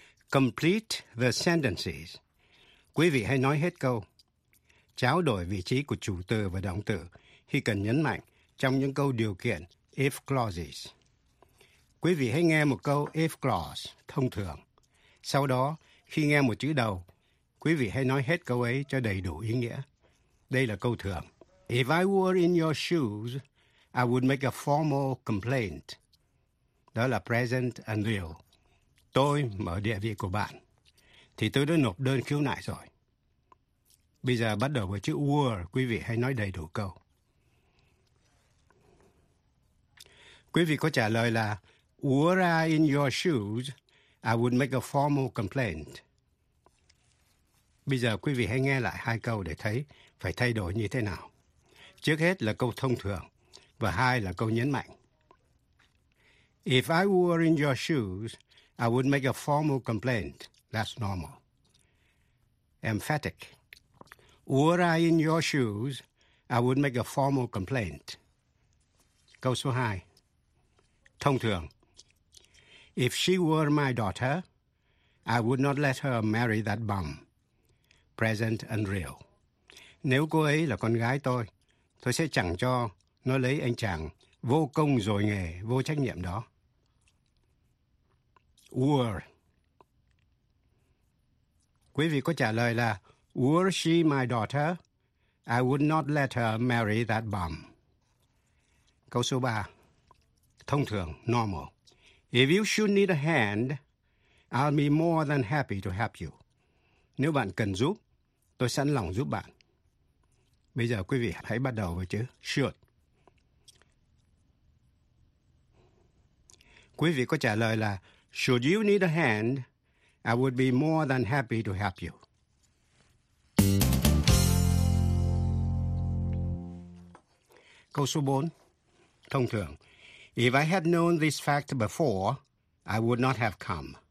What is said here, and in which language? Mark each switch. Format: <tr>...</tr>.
<en>Complete the sentences.</en> <vi>Quý vị hãy nói hết câu. Trao đổi vị trí của chủ từ và động từ khi cần nhấn mạnh trong những câu điều kiện if clauses. Quý vị hãy nghe một câu if clause thông thường. Sau đó, khi nghe một chữ đầu, quý vị hãy nói hết câu ấy cho đầy đủ ý nghĩa. Đây là câu thường.</vi> <en>If I were in your shoes, I would make a formal complaint.</en> <vi>Đó là</vi> <en>present and real.</en> <vi>Tôi mở địa vị của bạn, thì tôi đã nộp đơn khiếu nại rồi. Bây giờ bắt đầu với chữ were, quý vị hãy nói đầy đủ câu. Quý vị có trả lời là</vi> <en>were I in your shoes, I would make a formal complaint.</en> <vi>Bây giờ quý vị hãy nghe lại hai câu để thấy phải thay đổi như thế nào. Trước hết là câu thông thường, và hai là câu nhấn mạnh.</vi> <en>If I were in your shoes, I would make a formal complaint. That's normal. Emphatic. Were I in your shoes, I would make a formal complaint.</en> <vi>Câu số 2. Thông thường.</vi> <en>If she were my daughter, I would not let her marry that bum. Present and real.</en> <vi>Nếu cô ấy là con gái tôi sẽ chẳng cho nó lấy anh chàng vô công rồi nghề, vô trách nhiệm đó.</vi> <en>Were.</en> <vi>Quý vị có trả lời là</vi> <en>were she my daughter, I would not let her marry that bum.</en> <vi>Câu số 3. Thông thường,</vi> <en>normal. If you should need a hand, I'll be more than happy to help you.</en> <vi>Nếu bạn cần giúp, tôi sẵn lòng giúp bạn. Bây giờ quý vị hãy bắt đầu với chữ should. Quý vị có trả lời là</vi> <en>should you need a hand, I would be more than happy to help you.</en> <vi>Câu số 4. Thông thường.</vi> <en>If I had known this fact before, I would not have come.</en>